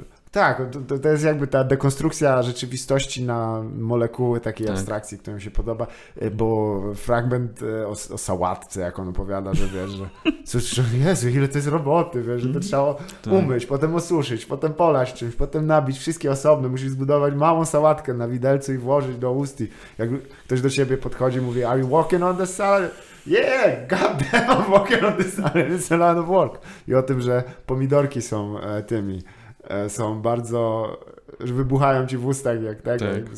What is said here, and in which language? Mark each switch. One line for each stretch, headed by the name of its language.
Polish: Tak, to jest jakby ta dekonstrukcja rzeczywistości na molekuły takiej abstrakcji, która mi się podoba, bo fragment o sałatce, jak on opowiada, że wiesz, że Jezu, ile to jest roboty, wiesz, że to trzeba umyć, potem osuszyć, potem polać czymś, potem nabić wszystkie osobno, musisz zbudować małą sałatkę na widelcu i włożyć do ust. Jak ktoś do ciebie podchodzi, mówi,
English: are you walking on the salad? Yeah, god damn, I'm walking on the salad, it's a lot of work.
Polish: I o tym, że pomidorki są tymi. Są bardzo, że wybuchają ci w ustach, jak tego, tak.